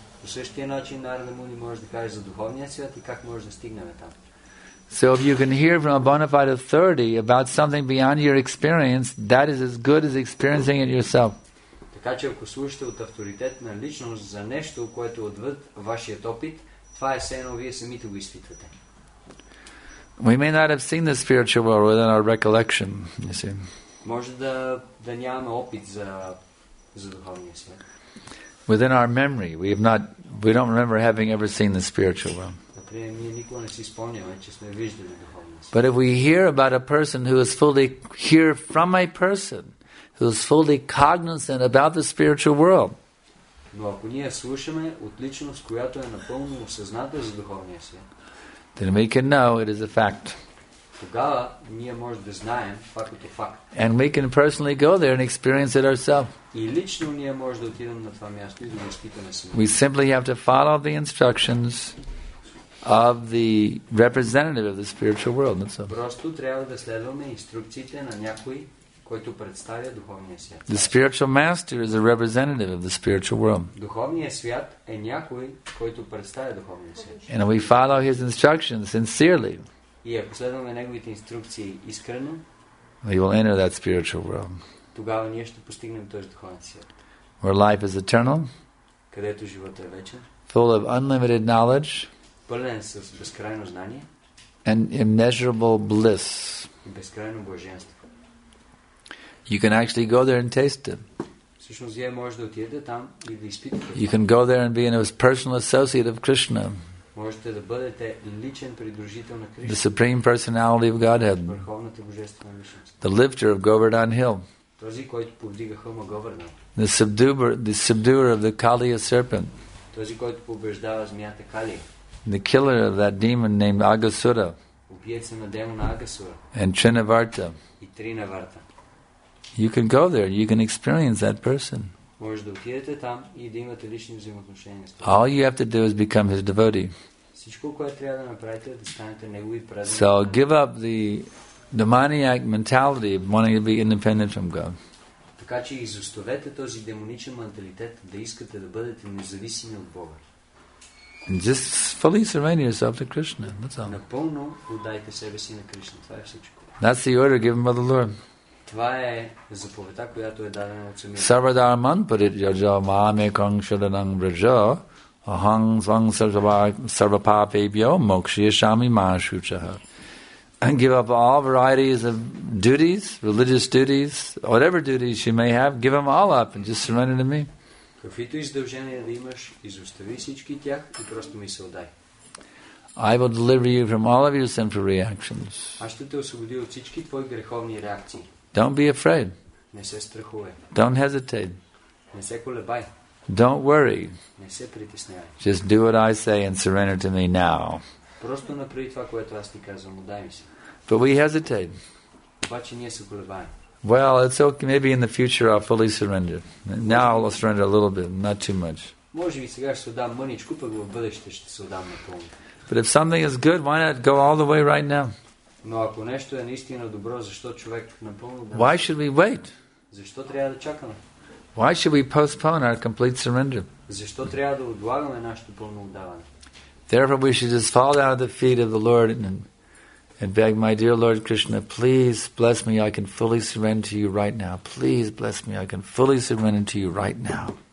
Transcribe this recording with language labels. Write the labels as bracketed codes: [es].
[en] So if you can hear from a bona fide authority about something beyond your experience, that is as good as experiencing it yourself. [bg] Така че ако слушате от авторитет на личност за нещо, което отвъд вашият опит, това е все едно вие самите го изпитвате. [en] We may not have seen the spiritual world within our recollection, you see. [bg] Може да нямаме опит за духовния свят. [en] Within our memory, we don't remember having ever seen the spiritual world. [bg] Например, ние никога не си спомняме, че сме виждали духовния свят. [en] But if we hear about a person who is fully here from a person, who is fully cognizant about the spiritual world. [bg] Но ако ние слушаме от личност, която е напълно осъзната за духовния свят, [en] then we can know it is a fact. [bg] Тогава ние може да знаем това като факт. [en] And we can personally go there and experience it ourselves. [bg] И лично ние може да отидем на това място и да го изпитаме сами. [en] We simply have to follow the instructions of the representative of the spiritual world. That's all. [bg] Просто трябва да следваме инструкциите на някой, който представя духовния свят. [en] The spiritual master is a representative of the spiritual world. [bg] Духовният свят е някой, който представя духовния свят. [en] And we follow his instructions sincerely. [bg] И ако следваме неговите инструкции искрено, [en] we will enter that spiritual world. [bg] Тогава ние ще постигнем този духовен свят. [en] Where life is eternal. [bg] Където живота е вечен. [en] Full of unlimited knowledge. [bg] Пълен с безкрайно знание. [en] And immeasurable bliss. [bg] И безкрайно блаженство. [en] You can actually go there and taste it. [bg] Всъщност, вие може да отидете там и да изпитате. [en] You can go there and be in a personal associate of Krishna. [bg] Можете да бъдете личен придружител на Кришна. [en] The Supreme Personality of Godhead. [bg] Върховната божествена личност. [en] The lifter of Govardhan Hill. [bg] Този, който повдига хълма Говардан. [en] The subduer of the Kaliya serpent. [bg] Този, който побеждава змията Калия. [en] The killer of that demon named Agasura. [bg] Убиеца на демона Агасура. [en] And Trinavarta. [bg] И Тринаварта. [en] You can go there, you can experience that person. [bg] Може да отидете там и да имате лични взаимоотношения с това. [en] All you have to do is become his devotee. [bg] Всичко, което трябва да направите, да станете негови преданици. [en] So give up the demoniac mentality of wanting to be independent from God. [bg] Така че изоставете този демоничен менталитет да искате да бъдете независими от Бога. [en] And just fully surrender yourself to Krishna. That's all. [bg] Напълно отдайте себе си на Кришна. Това е всичко. [en] That's the order given by the Lord. [bg] Това е заповедта, която е дадена от самия. [sa] Сарвадарман парит яджа маме канг шаданам вража аханг санг сарвапапебьо мокшия шами машучаха. [en] And give up all varieties of duties, religious duties, whatever duties you may have, give them all up and just surrender to me. [bg] каквито издължения да имаш, изостави всички тях и просто ми се отдай. [en] I will deliver you from all of your sinful reactions. [bg] Аз ще те освободя от всички твои греховни реакции. [en] Don't be afraid. [bg] Не се страхувай. [en] Don't hesitate. [bg] Не се колебай. [en] Don't worry. [bg] Не се притеснявай. [en] Just do what I say and surrender to me now. [bg] Просто направи това, което аз ти казвам, отдай ми се. [en] But we hesitate. [bg] Обаче ние се колебаем. [en] Well, it's okay. Maybe in the future I'll fully surrender. Now I'll surrender a little bit, not too much. [bg] Може би сега ще се отдам мъничко, пък в бъдеще ще се отдам напълно. [en] But if something is good, why not go all the way right now? [bg] Но ако нещо е наистина добро, защо човек напълно? [en] Why should we wait? [bg] Защо трябва да чакаме? [en] Why should we postpone our complete surrender? [bg] Защо трябва да отлагаме нашето пълно отдаване? [en] Therefore, we should just fall down at the feet of the Lord and beg, my dear Lord Krishna, please bless me, I can fully surrender to you right now. Please bless me, I can fully surrender to you right now.